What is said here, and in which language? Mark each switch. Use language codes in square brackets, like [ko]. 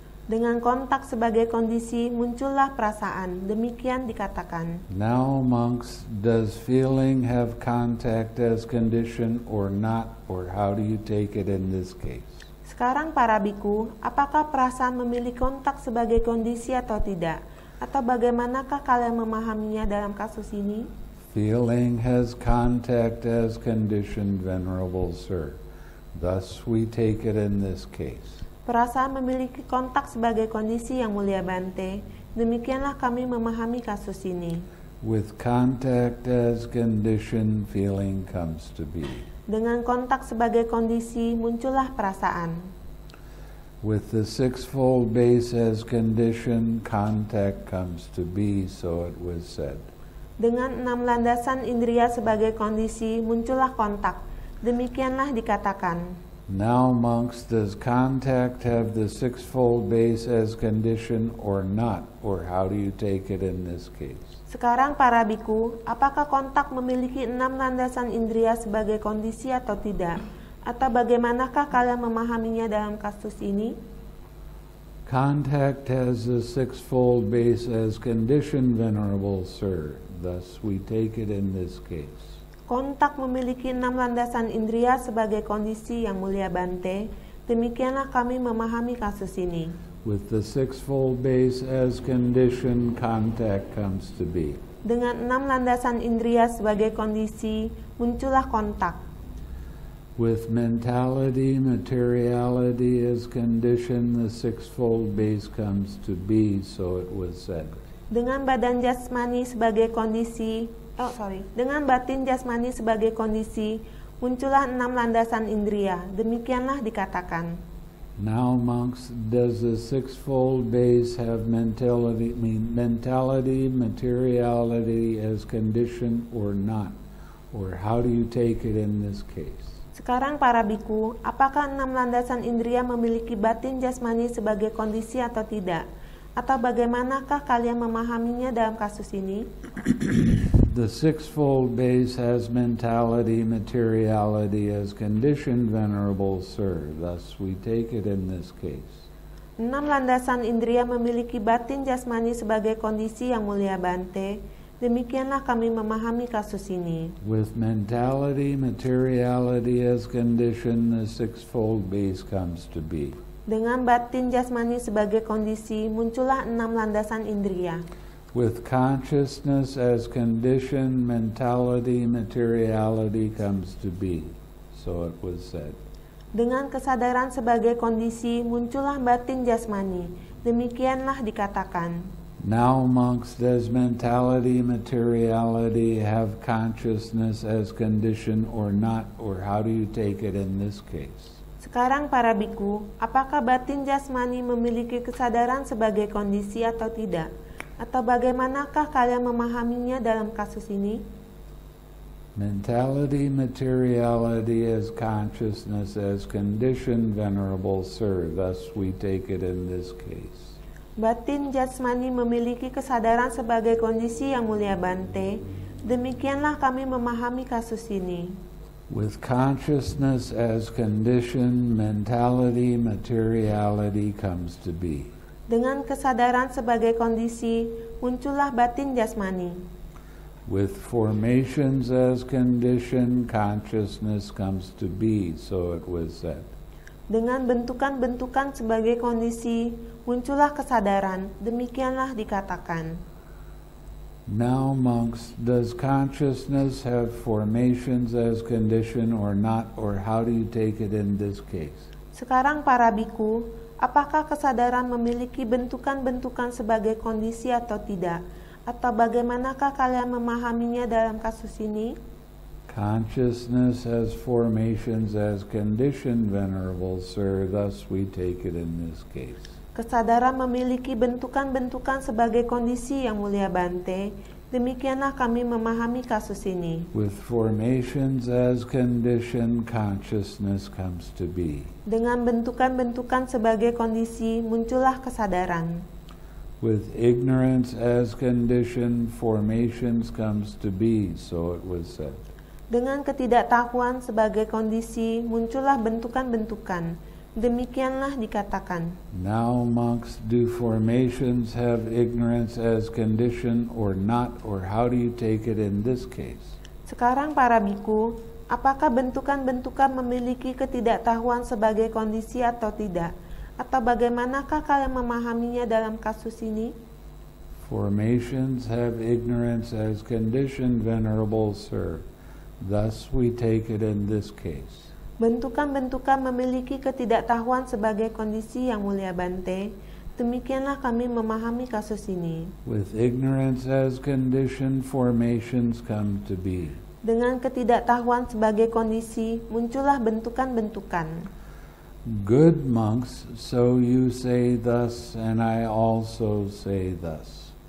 [id] Dengan kontak sebagai kondisi, muncullah perasaan. Demikian dikatakan. [en] Now, monks, does feeling have contact as condition or not, or how do you take it in this case? [id] Sekarang, para bhikkhu, apakah perasaan memiliki kontak sebagai kondisi atau tidak? Atau bagaimanakah kalian memahaminya dalam kasus ini? [en] Feeling has contact as conditioned, venerable sir. Thus we take it in this case. [id] Perasaan memiliki kontak sebagai kondisi yang mulia Bante. Demikianlah kami memahami kasus ini. [en] With contact as condition, feeling comes to be. [id] Dengan kontak sebagai kondisi, muncullah perasaan. [en] With the sixfold base as condition, contact comes to be, so it was said. [id] Dengan enam landasan indria sebagai kondisi, muncullah kontak. Demikianlah dikatakan. [en] Now, monks, does contact have the sixfold base as condition or not? Or how do you take it in this case? [id] Sekarang para biku, apakah kontak memiliki enam landasan indria sebagai kondisi atau tidak? Atau bagaimanakah kalian memahaminya dalam kasus ini? [en] Contact has the sixfold base as condition, venerable sir. Thus we take it in this case. [id] Kontak memiliki enam landasan indria sebagai kondisi yang mulia Bante. Demikianlah kami memahami kasus ini. [en] With the sixfold base as condition, contact comes to be. [id] Dengan enam landasan indria sebagai kondisi, muncullah kontak. [en] With mentality, materiality as condition, the sixfold base comes to be, so it was said. [id] Dengan badan jasmani sebagai kondisi, dengan batin jasmani sebagai kondisi, muncullah enam landasan indria. Demikianlah dikatakan. [en] Now, monks, does the sixfold base have mentality, materiality as condition or not? Or how do you take it in this case? [id] Sekarang para biku, apakah enam landasan indria memiliki batin jasmani sebagai kondisi atau tidak? Atau bagaimanakah kalian memahaminya dalam kasus ini? [en] The sixfold base has mentality, materiality as condition, venerable sir. Thus we take it in this case. [id] Enam landasan indria memiliki batin jasmani sebagai kondisi yang mulia Bante. Demikianlah kami memahami kasus ini. [en] With mentality, materiality as condition, the sixfold base comes to be. [id] Dengan batin jasmani sebagai kondisi, muncullah enam landasan indria. [en] With consciousness as condition, mentality, materiality comes to be. So it was said. [id] Dengan kesadaran sebagai kondisi, muncullah batin jasmani. Demikianlah dikatakan. [en] Now, monks, does mentality, materiality have consciousness as condition or not? Or how do you take it in this case? [id] Sekarang para biku, apakah batin jasmani memiliki kesadaran sebagai kondisi atau tidak? Atau bagaimanakah kalian memahaminya dalam kasus ini? [en] Mentality, materiality as consciousness as condition, venerable sir. Thus we take it in this case. [id] Batin jasmani memiliki kesadaran sebagai kondisi yang mulia Bante. Demikianlah kami memahami kasus ini. [en] With consciousness as condition, mentality, materiality comes to be. [id] Dengan kesadaran sebagai kondisi, muncullah batin jasmani. [en] With formations as condition, consciousness comes to be, so it was said. [id] Dengan bentukan-bentukan sebagai kondisi, muncullah kesadaran, demikianlah dikatakan. [en] Now, monks, does consciousness have formations as condition or not, or how do you take it in this case? [id] Sekarang para biku, apakah kesadaran memiliki bentukan-bentukan sebagai kondisi atau tidak? Atau bagaimanakah kalian memahaminya dalam kasus ini? [en] Consciousness has formations as condition, venerable sir. Thus we take it in this case. [id] Kesadaran memiliki bentukan-bentukan sebagai kondisi yang mulia Bante. Demikianlah kami memahami kasus ini. [en] With formations as condition, consciousness comes to be. [id] Dengan bentukan-bentukan sebagai kondisi, muncullah kesadaran. [en] With ignorance as condition, formations comes to be, so it was said. [id] Dengan ketidaktahuan sebagai kondisi, muncullah bentukan-bentukan. Demikianlah dikatakan. [en] Now, monks, do formations have ignorance as condition or not, or how do you take it in this case? [id] Sekarang para biku, apakah bentukan-bentukan memiliki ketidaktahuan sebagai kondisi atau tidak? Atau bagaimanakah kalian memahaminya dalam kasus ini? [en] Formations have ignorance as condition, venerable sir. Thus we take it in this case. [id] Bentukan-bentukan memiliki ketidaktahuan sebagai kondisi, yang mulia Bante. Demikianlah kami memahami kasus ini. [en] With ignorance as condition, formations come to be. [id] Dengan ketidaktahuan sebagai kondisi, muncullah bentukan-bentukan. [en] Good monks, so you say thus, and I also say thus.